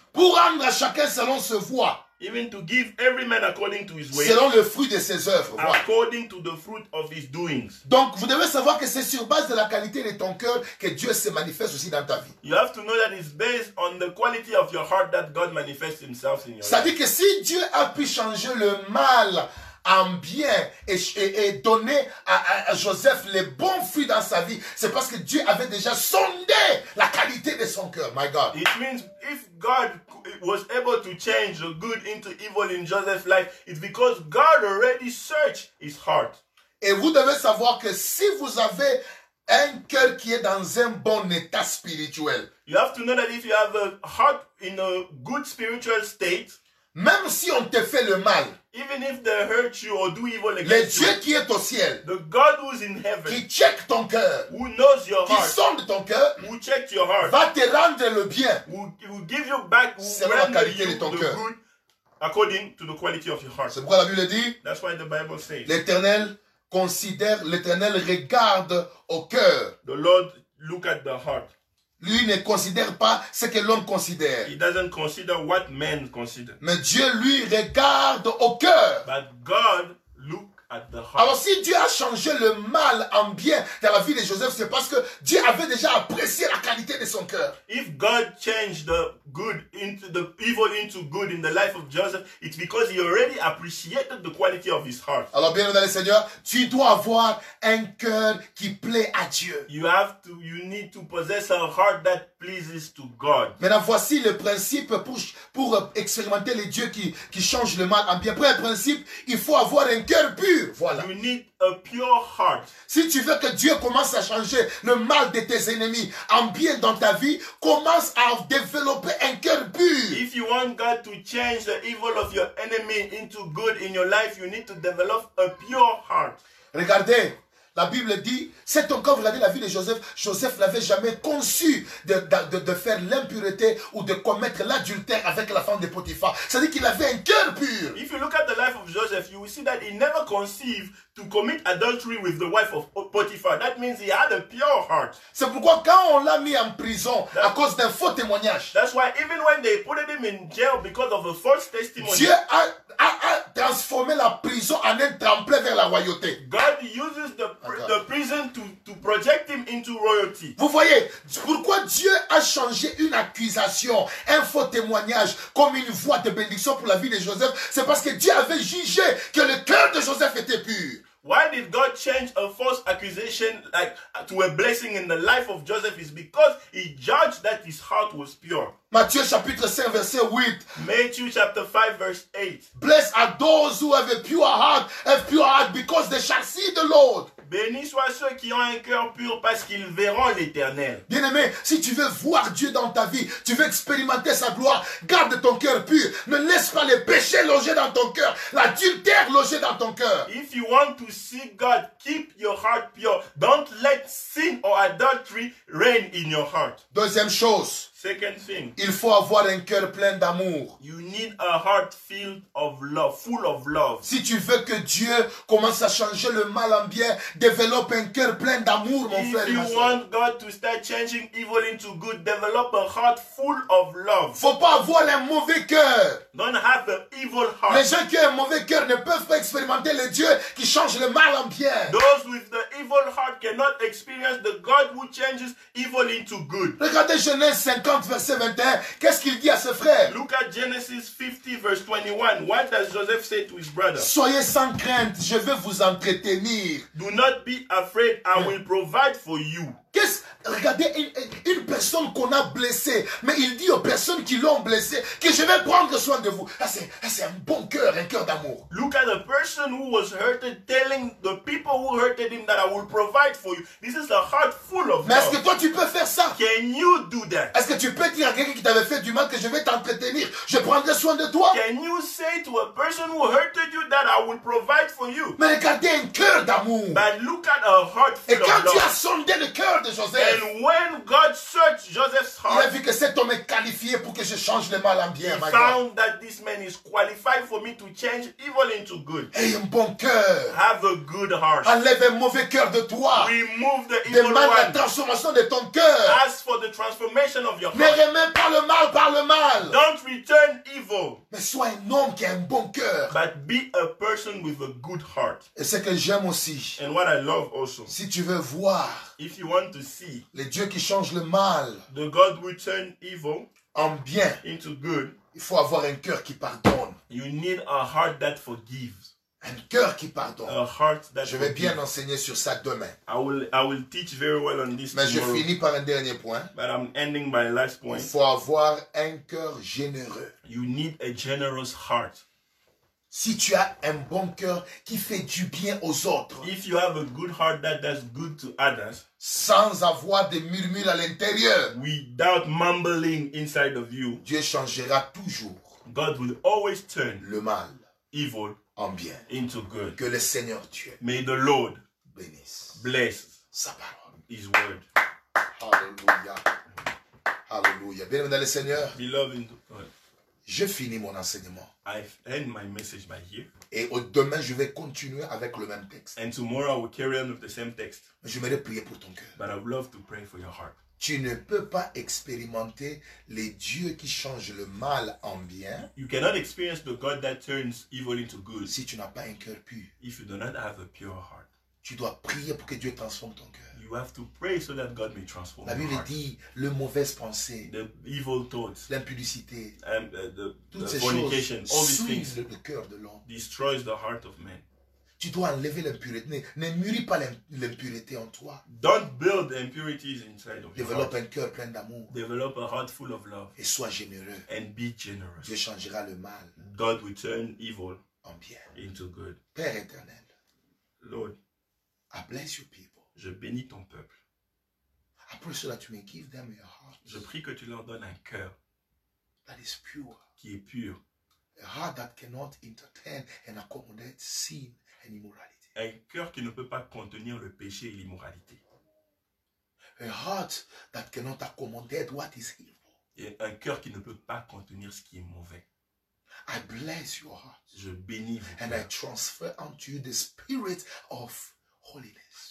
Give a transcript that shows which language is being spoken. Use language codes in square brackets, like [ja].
[fr] Pour rendre à chacun selon ses voies. [en] Even to give every man according to his ways. [fr] Selon le fruit de ses œuvres. [en] According to the fruit of his doings. [fr] Donc, vous devez savoir que c'est sur base de la qualité de ton cœur que Dieu se manifeste aussi dans ta vie. [en] You have to know that it's based on the quality of your heart that God manifests himself in your life. [fr] Ça dit que si Dieu a pu changer le mal en bien et donner à Joseph les bons fruits dans sa vie, c'est parce que Dieu avait déjà sondé la qualité de son cœur. [en] My God. It means if God was able to change the good into evil in Joseph's life, it's because God already searched his heart. [fr] Et vous devez savoir que si vous avez un cœur qui est dans un bon état spirituel, [en] you have to know that if you have a heart in a good spiritual state, [fr] même si on te fait le mal, [en] even if they hurt you or do evil against [fr] le Dieu [en] you, [fr] qui est au ciel, [en] the God who's in heaven, [fr] qui check ton cœur, [en] who knows your [fr] qui [en] heart, [fr] qui sonde ton cœur, [en] who checks your heart, [fr] va te rendre le bien, [en] who give you back, [fr] selon la qualité de ton cœur, [en] according to the quality of your heart. [fr] C'est pourquoi la Bible dit, [en] that's why the Bible says, [fr] l'Éternel considère, l'Éternel regarde au cœur, [en] the Lord look at the heart. [fr] Lui ne considère pas ce que l'homme considère. [en] He doesn't consider what men consider. [fr] Mais Dieu lui regarde au cœur. [en] But God look at the heart. [fr] Alors si Dieu a changé le mal en bien dans la vie de Joseph, c'est parce que Dieu avait déjà apprécié la qualité de son cœur. [en] If God changed the good into the evil into good in the life of Joseph, it's because he already appreciated the quality of his heart. [fr] Alors bien dans le Seigneur, tu dois avoir un cœur qui plaît à Dieu. [en] You need to possess a heart that pleases to God. [fr] Maintenant voici le principe pour expérimenter les dieux qui changent le mal en bien. Premier principe, il faut avoir un cœur pur. Voilà. [en] You need a pure heart. [fr] Si tu veux que Dieu commence à changer le mal de tes ennemis en bien dans ta vie, commence à développer un cœur pur. [en] If you want God to change the evil of your enemy into good in your life, you need to develop a pure heart. [fr] Regardez, la Bible dit, c'est encore, vous l'avez la vie de Joseph, Joseph n'avait jamais conçu de faire l'impureté ou de commettre l'adultère avec la femme de Potiphar. C'est-à-dire qu'il avait un cœur pur. [en] If you look at the life of Joseph, you will see that he never conceived to commit adultery with the wife of Potiphar. That means he had a pure heart. [fr] C'est pourquoi quand on l'a mis en prison à cause d'un faux témoignage, [en] that's why even when they put him in jail because of a false testimony, [fr] Dieu a transformé la prison en un tremplin vers la royauté. [en] God uses the prison to project him into royalty. [fr] Vous voyez, pourquoi Dieu a changé une accusation, un faux témoignage, comme une voie de bénédiction pour la vie de Joseph, c'est parce que Dieu avait jugé que le cœur de Joseph était pur. [en] Why did God change a false accusation like to a blessing in the life of Joseph? It's because he judged that his heart was pure. [fr] Matthieu chapitre 5 verset 8. [en] Matthew chapter 5 verse 8. Blessed are those who have a pure heart because they shall see the Lord. [fr] Bénis soient ceux qui ont un cœur pur parce qu'ils verront l'Éternel. Bien-aimé, si tu veux voir Dieu dans ta vie, tu veux expérimenter sa gloire, garde ton cœur pur. Ne laisse pas les péchés loger dans ton cœur, l'adultère loger dans ton cœur. [en] If you want to see God, keep your heart pure. Don't let sin or adultery reign in your heart. [fr] Deuxième chose. [en] Second thing. [fr] Il faut avoir un cœur plein d'amour. [en] You need a heart filled of love, full of love. [fr] Si tu veux que Dieu commence à changer le mal en bien, développe un cœur plein d'amour, mon frère. [en] If you want God to start changing evil into good, develop a heart full of love. [fr] Faut pas avoir un mauvais cœur. [en] Don't have an evil heart. [fr] Les gens qui ont un mauvais cœur ne peuvent pas expérimenter le Dieu qui change le mal en bien. [en] Those with the evil heart cannot experience the God who changes evil into good. [fr] Regardez Genèse 50 verset 21. Qu'est-ce qu'il dit à ses frères? [en] Look at Genesis 50 verse 21. What does Joseph say to his brother? [fr] Soyez sans crainte, je vais vous entretenir. [en] Do not be afraid, I will provide for you. [fr] Qu'est-ce? Regardez, une personne qu'on a blessée, mais il dit aux personnes qui l'ont blessée que je vais prendre soin de vous. C'est un bon cœur, un cœur d'amour. [en] Look at the person who was hurted telling the people who hurted him that I will provide for you. This is a heart full of love. [fr] Mais est-ce que toi tu peux faire ça? [en] Can you do that? [fr] Est-ce que tu peux dire à quelqu'un qui t'avait fait du mal que je vais t'entretenir, je prendrai soin de toi? [en] Can you say to a person who hurted you that I will provide for you? [fr] Mais regardez un cœur d'amour. [en] But look at a heart full of love. [fr] Et quand tu as sondé le cœur de Joseph, [en] And when God searched Joseph's heart, [fr] il a vu que cet homme est qualifié pour que je change le mal en bien. [en] He found that this man is qualified for me to change evil into good. [fr] Et un bon cœur. [en] Have a good heart. [fr] Enlève un mauvais cœur de toi. [en] Remove the evil one. [fr] Demande la transformation de ton cœur. [en] Ask for the transformation of your heart. [fr] Ne remets pas le mal par le mal. [en] Don't return evil. [fr] Mais sois un homme qui a un bon cœur. [en] But be a person with a good heart. [fr] Et ce que j'aime aussi. [en] And what I love also. [fr] Si tu veux voir. [en] If you want to see. [fr] Le Dieu qui change le mal. [en] The God who turn evil. [fr] En bien. [en] Into good. [fr] Il faut avoir un cœur qui pardonne. [en] You need a heart that forgives. [fr] Un cœur qui pardonne. [en] A heart that forgives. [fr] Je vais bien enseigner sur ça demain. [en] I will teach very well on this [fr] Mais [en] tomorrow. [fr] Je finis par un dernier point. [en] But I'm ending my last point. [fr] Il faut avoir un cœur généreux. [en] You need a generous heart. [fr] Si tu as un bon cœur qui fait du bien aux autres. [en] If you have a good heart that does good to others. [fr] Sans avoir de murmures à l'intérieur. [en] Without mumbling inside of you. [fr] Dieu changera toujours. [en] God will always turn. [fr] Le mal. [en] Evil. [fr] En bien. [en] Into good. [fr] Que le Seigneur Dieu. [en] May the Lord. [fr] Bénisse. [en] Bless. [fr] Sa parole. [en] His word. [fr] Alléluia. Alléluia. Bienvenue dans le Seigneur. [en] Beloved in God. [fr] Je finis mon enseignement. [en] I've ended my message by here. [fr] Et demain, je vais continuer avec le même texte. [en] And tomorrow, I will carry on with the same text. [fr] J'aimerais prier pour ton cœur. [en] But I would love to pray for your heart. [fr] Tu ne peux pas expérimenter les dieux qui changent le mal en bien. [en] You cannot experience the God that turns evil into good. [fr] Si tu n'as pas un cœur pur. [en] If you do not have a pure heart. [fr] Tu dois prier pour que Dieu transforme ton cœur. [en] You have to pray so that God may transform. [fr] La Bible dit le mauvaise pensée, [en] the evil thoughts, [fr] l'impudicité, [en] the fornication, all these things, [fr] le cœur de l'homme, [en] destroys the heart of man. [fr] Tu dois enlever l'impureté. Ne mûris pas l'impureté en toi. [en] Don't build the impurities inside of you. [fr] Develop un cœur plein d'amour. [en] Develop a heart full of love. [fr] Et sois généreux. [en] And be generous. [fr] Dieu changera le mal. [en] God will turn evil [fr] en bien. [en] Into good. [fr] Père éternel. [en] Lord. I bless your people. [fr] Je bénis ton peuple. [en] I pray so that you may give them your heart. [fr] Je prie que tu leur donnes un cœur. [en] That is pure. [fr] Qui est pur. [en] A heart that cannot entertain and accommodate sin and immorality. [fr] Un cœur qui ne peut pas contenir le péché et l'immoralité. [en] A heart that cannot accommodate what is evil. [fr] Et un cœur qui ne peut pas contenir ce qui est mauvais. [en] I bless your heart. [fr] Je bénis vos cœurs. [en] And I transfer unto you the spirit of holiness.